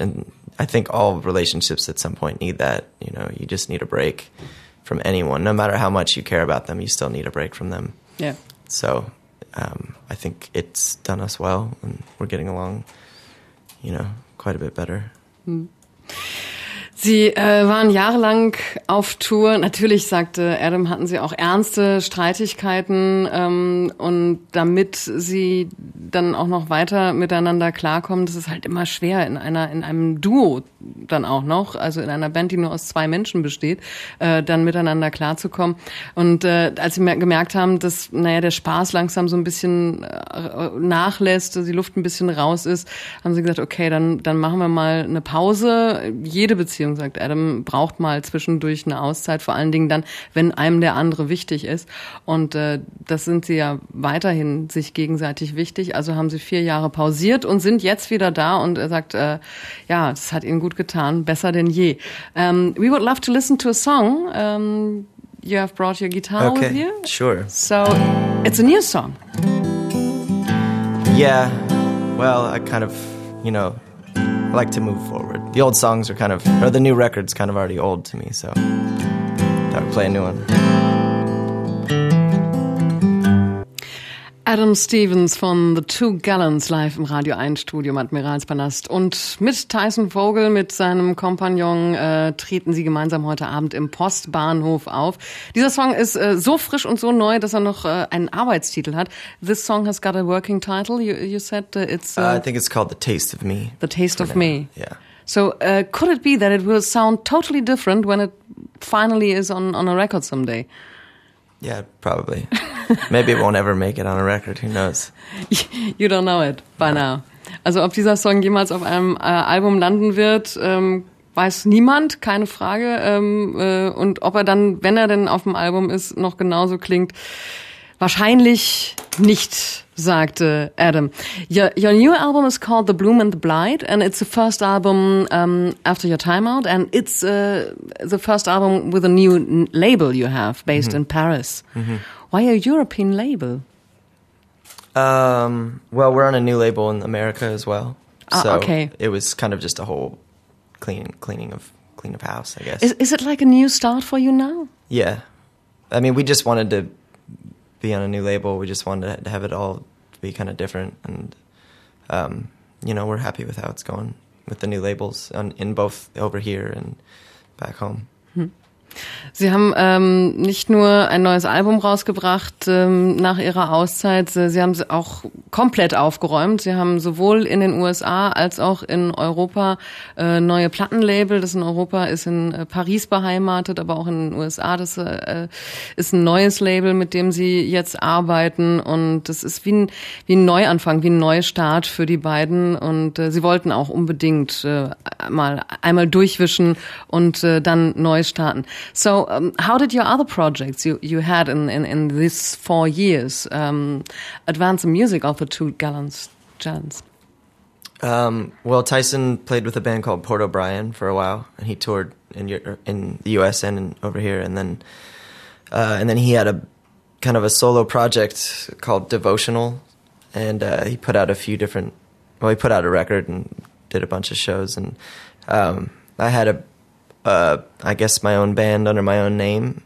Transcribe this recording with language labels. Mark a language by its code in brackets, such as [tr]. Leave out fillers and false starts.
[en] And I think all relationships at some point need that. You know, you just need a break from anyone, no matter how much you care about them, you still need a break from them. Yeah. So I think it's done us well, and we're getting along, you know, quite a bit better. [de] Sie waren jahrelang auf Tour. Natürlich, sagte Adam, hatten sie auch ernste Streitigkeiten. Und damit sie dann auch noch weiter miteinander klarkommen, das ist halt immer schwer in einem Duo dann auch noch, also in einer Band, die nur aus zwei Menschen besteht, dann miteinander klarzukommen. Und als sie gemerkt haben, dass der Spaß langsam so ein bisschen nachlässt, die Luft ein bisschen raus ist, haben sie gesagt, okay, dann machen wir mal eine Pause. Jede Beziehung, sagt Adam, braucht mal zwischendurch eine Auszeit, vor allen Dingen dann, wenn einem der andere wichtig ist. Und das sind sie ja weiterhin sich gegenseitig wichtig. Also haben sie 4 Jahre pausiert und sind jetzt wieder da. Und er sagt, ja, es hat ihnen gut getan, besser denn je. [en] We would love to listen to a song. You have brought your guitar okay, with you. Sure. So it's a new song. Yeah, well, I kind of, you know, I like to move forward. The old songs are kind of, or the new record's kind of already old to me, so I'll play a new one. [de] Adam Stevens von The Two Gallons live im Radio 1 Studio im Admiralspalast. Und mit Tyson Vogel, mit seinem Kompagnon, treten sie gemeinsam heute Abend im Postbahnhof auf. Dieser Song ist so frisch und so neu, dass er noch einen Arbeitstitel hat. [en] This song has got a working title, you said. I think it's called The Taste of Me. The Taste of Me. Yeah. So could it be that it will sound totally different when it finally is on a record someday? Yeah, probably. Maybe it won't ever make it on a record. Who knows? You don't know it by now. [de] Also ob dieser Song jemals auf einem Album landen wird, weiß niemand, keine Frage. Und ob er dann, wenn er denn auf dem Album ist, noch genauso klingt, wahrscheinlich nicht, sagte Adam. [en] Your new album is called The Bloom and the Blight, and it's the first album after your time out, and it's the first album with a new label you have, based in Paris. Mm-hmm. Why a European label? Well, we're on a new label in America as well. Ah, so okay. It was kind of just a whole cleaning of house, I guess. Is it like a new start for you now? Yeah. I mean, we just wanted to be on a new label. We just wanted to have it all be kind of different, and you know, we're happy with how it's going with the new labels in both over here and back home. [de] Sie haben nicht nur ein neues Album rausgebracht nach ihrer Auszeit, sie haben es auch komplett aufgeräumt. Sie haben sowohl in den USA als auch in Europa neue Plattenlabel. Das in Europa ist in Paris beheimatet, aber auch in den USA. Das ist ein neues Label, mit dem sie jetzt arbeiten. Und das ist wie ein Neuanfang, wie ein Neustart für die beiden. Und sie wollten auch unbedingt einmal durchwischen und dann neu starten. [en] So how did your other projects you had in these 4 years advance the music of the Two Gallons? Well, Tyson played with a band called Port O'Brien for a while, and he toured in the US and over here, and then he had a kind of a solo project called Devotional, and he put out a few different, well, he put out a record and did a bunch of shows, and I had a I guess my own band under my own name.